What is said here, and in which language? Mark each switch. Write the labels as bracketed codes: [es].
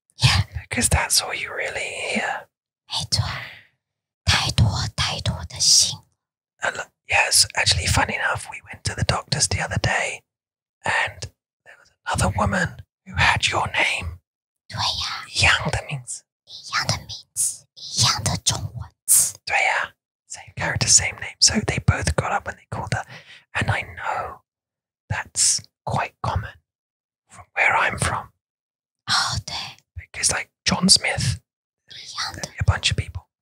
[en] Yeah. Because that's all you really hear. [zh] 没错,太多,太多的心. [en] Yes, actually, funny enough, we went to the doctors the other day, and there was another woman who had your name. [zh] 对呀. 一样的名字. 一样的名字, 一样的中文字. 对呀. [en] Same character, same name. So they both got up and they called her. And I know that's quite common from where I'm from. [zh] Oh, 对. [en] Because like John Smith, a bunch of people.